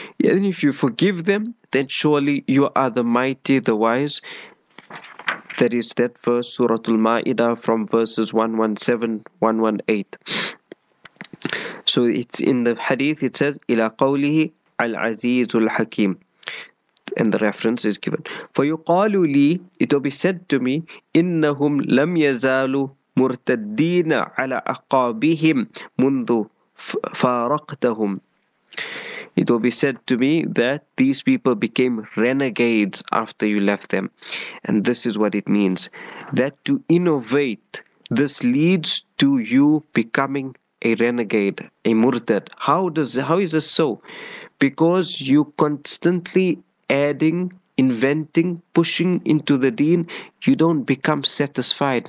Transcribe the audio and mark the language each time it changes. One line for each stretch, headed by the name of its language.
English: And if you forgive them, then surely you are the mighty, the wise. That is that verse, Surah Al-Ma'idah, from verses 117-118. So it's in the hadith, it says,
Arabic: إِلَىٰ قَوْلِهِ الْعَزِيزُ الْحَكِيمُ.
English: And the reference is given.
Arabic: فَيُقَالُ لِي,
English: it will be said to me,
Arabic: إِنَّهُمْ لَمْ يَزَالُوا مرتدين على أقابهم منذ فارقتهم.
English: It will be said to me that these people became renegades after you left them. And this is what it means. That to innovate, this leads to you becoming a renegade, a murtad. How is this so? Because you constantly adding, inventing, pushing into the deen, you don't become satisfied.